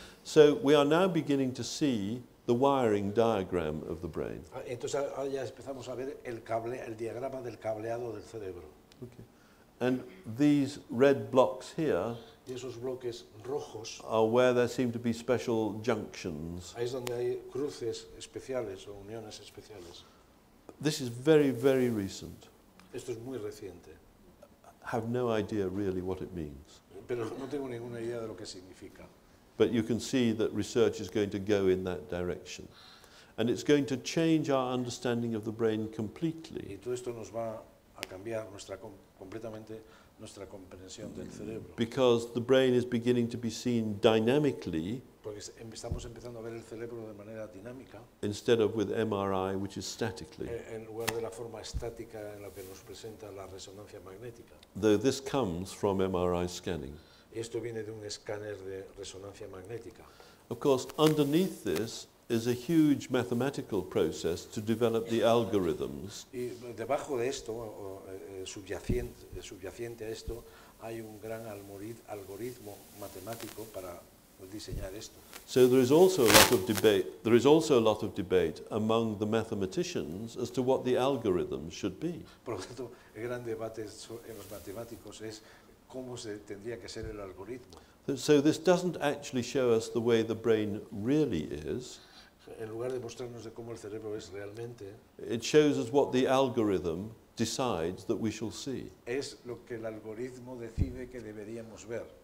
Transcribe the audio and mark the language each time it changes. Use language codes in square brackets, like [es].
[en] So we are now beginning to see the wiring diagram of the brain. [es] Entonces ya empezamos a ver el diagrama del cableado del cerebro. [en] Okay. And these red blocks here, [es] y esos bloques rojos, [en] are where there seem to be special junctions. [es] Ahí es donde hay cruces especiales o uniones especiales. [en] This is very, very recent. [es] Esto es muy reciente. [en] I have no idea really what it means. [es] Pero no tengo ninguna idea de lo que significa. [en] But you can see that research is going to go in that direction. And it's going to change our understanding of the brain completely. [es] Y todo esto nos va a cambiar completamente nuestra comprensión del cerebro. [en] Because the brain is beginning to be seen dynamically. [es] Porque estamos empezando a ver el cerebro de manera dinámica. [en] Instead of with MRI, which is statically. [es] En lugar de la forma estática en la que nos presenta la resonancia magnética. [en] Though this comes from MRI scanning. [es] Esto viene de un escáner de resonancia magnética. [en] Of course, underneath this is a huge mathematical process to develop the algorithms. [es] Y debajo de esto, subyacente a esto, hay un gran algoritmo matemático para diseñar esto. [en] So there is also a lot of debate. There is also a lot of debate among the mathematicians as to what the algorithms should be. [es] Por lo tanto, el gran debate en los matemáticos es cómo se tendría que ser el algoritmo. [en] So this doesn't actually show us the way the brain really is. [es] En lugar de mostrarnos de cómo el cerebro es realmente, [en] it shows us what the algorithm decides that we shall see. [es] Es lo que el algoritmo decide que deberíamos ver.